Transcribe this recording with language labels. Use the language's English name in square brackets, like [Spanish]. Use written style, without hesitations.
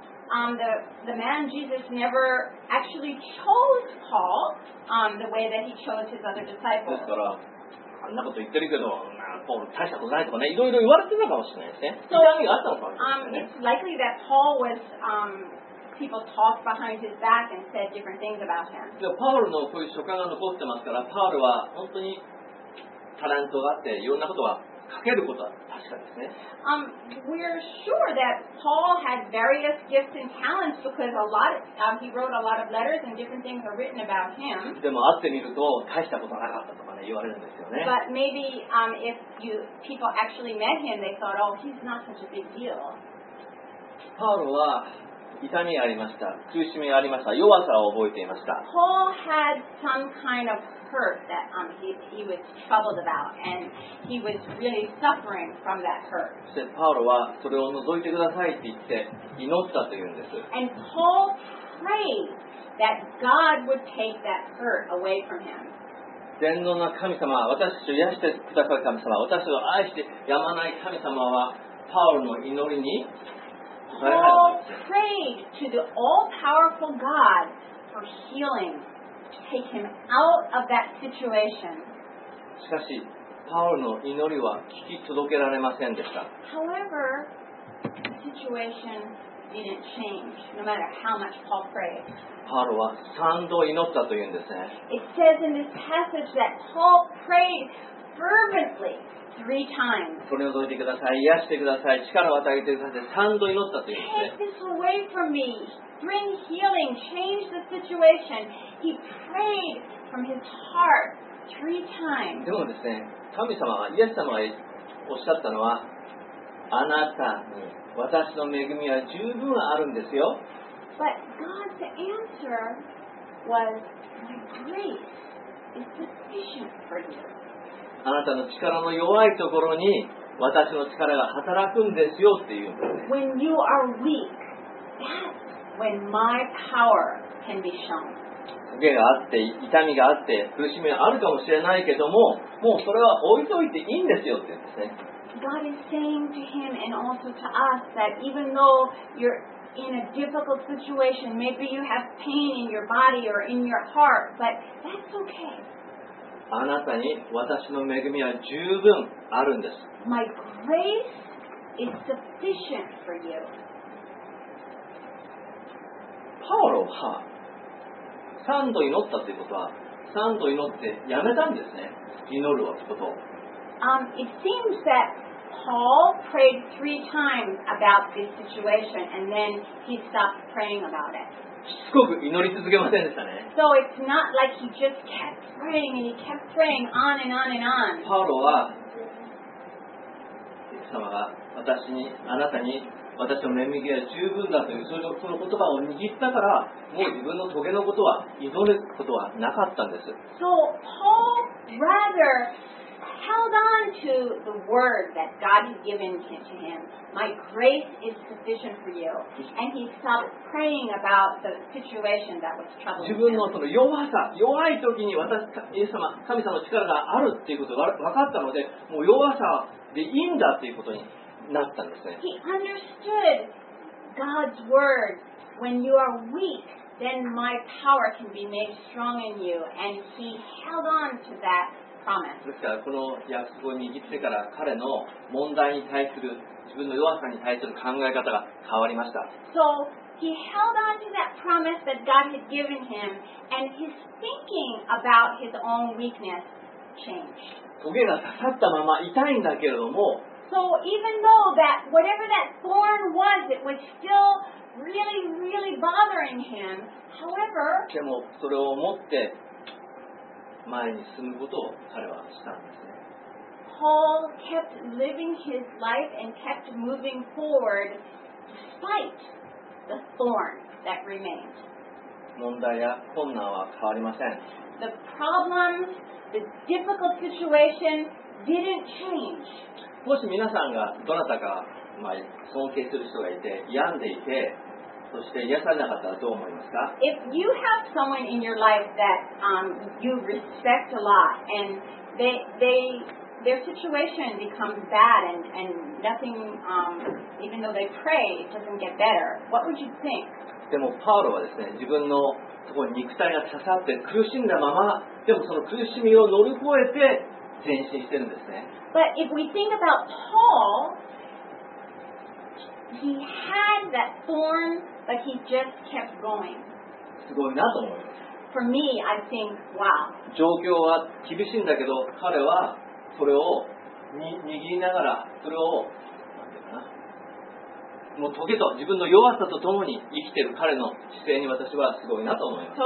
[English] The man Jesus never actually chose Paul the way that he chose his other disciples. [Japanese] ですから、あんなこと言ってるけど、ポール大したことないとかね、いろいろ言われてたかもしれないですね。 [English] So, [Japanese] 痛みがあったのかもしれないですね。 [English] It's likely that Paul was, people talked behind his back and said different things about him. [Japanese] でも、パウルのこういう書簡が残ってますから、パウルは本当にタレントがあって、いろんなことが書けることは確かですね。 [English] We're sure that Paul had various gifts and talents because a lot of, he wrote a lot of letters and different things are written about him. [Japanese] でも会ってみると大したことなかったとかね言われるんですよね。 [English] But maybe if you people actually met him, they thought, oh, he's not such a big deal. [Japanese] パウロは痛みがありました。苦しみがありました。弱さを覚えていました。 [English] Paul had some kind of hurt that he was troubled about, and he was really suffering from that hurt. [Japanese] そしてパウロはそれを除いてくださいって言って祈ったというんです。 [English] And Paul prayed that God would take that hurt away from him. [Japanese] 全能な神様、私を癒してくださる神様、私を愛してやまない神様はパウロの祈りに。 [English] Paul prayed to the all-powerful God for healing to take him out of that situation. [Japanese] しかし、パウロの祈りは聞き届けられませんでした。 [English] However, the situation didn't change, no matter how much Paul prayed. [Japanese] パウロは3度祈ったというんですね。 [English] It says in this passage that Paul prayed fervently. Three times. [Japanese] 取り除いてください、癒してください、力を与えてください、三度祈ったと言って。 [English] Take this away from me. Bring healing. Change the situation. He prayed from his heart three times. [Japanese] でもですね、神様は、イエス様がおっしゃったのは、あなたに私の恵みは十分あるんですよ。 [English] But God's answer was, my grace is sufficient for you. [Japanese] あなたの力の弱いところに私の力が働くんですよっていう。 [English] When you are weak, that's when my power can be shown. [Japanese] 限があって痛みがあって苦しみがあるかもしれないけども、もうそれは置いといていいんですよって言うんですね。 [English] God is saying to him and also to us that even though you're in a difficult situation, maybe you have pain in your body or in your heart, but that's okay. [Japanese] あなたに私の恵みは十分あるんです。 [English] My grace is sufficient for you. [Japanese] パウロは三度祈ったということは、三度祈ってやめたんですね、祈るはこと。 [English] It seems that Paul prayed three times about this situation and then he stopped praying about it. [Japanese] しつこく祈り続けませんでしたね。 [English] So it's not like he just kept praying and he kept praying on and on and on. [Japanese] パウロは、イエス様が私に、あなたに、私の恵みが十分だというその言葉を握ったから、もう自分の棘のことは祈ることはなかったんです。 [English] So Paul rather held on to the word that God had given to him, My grace is sufficient for you, and he stopped praying about the situation that was troubling him. [Japanese] 自分のその弱さ、弱い時に私、イエス様、神様の力があるっていうことが分かったので、もう弱さでいいんだっていうことになったんですね。 [English] He understood God's word. When you are weak, then my power can be made strong in you. And he held on to that promise. [Japanese] ですから、この約束を握ってから彼の問題に対する自分の弱さに対する考え方が変わりました。 [English] So he held on to that promise that God had given him, and his thinking about his own weakness changed. [Japanese] トゲが刺さったまま痛いんだけれども。 [English] So even though that whatever that thorn was, it was still really, really bothering him. However, [Japanese] でもそれを持って前に進むことを彼はしたんですね。 [English] Paul kept living his life and kept moving forward despite the thorn that remained. [Japanese] 問題や困難は変わりません。 [English] The problems, the difficult situation didn't change. [Japanese] もし皆さんがどなたか、まあ、尊敬する人がいて病んでいて、そして癒されなかったらどう思いますか？ [English] If you have someone in your life that you respect a lot and their situation becomes bad and nothing even though they pray it doesn't get better, what would you think? [Japanese] でもパウロはですね、自分のところに肉体が刺さって苦しんだまま、でもその苦しみを乗り越えて前進してるんですね。 [English] But if we think about Paul, he had that thorn, but he just kept going. [Japanese] すごいなと思います。 [English] For me, I think, wow. [Japanese] 状況は厳しいんだけど、彼はそれを握りながら、それを、なんていうかな、もう棘と自分の弱さとともに生きている彼の姿勢に私はすごいなと思います。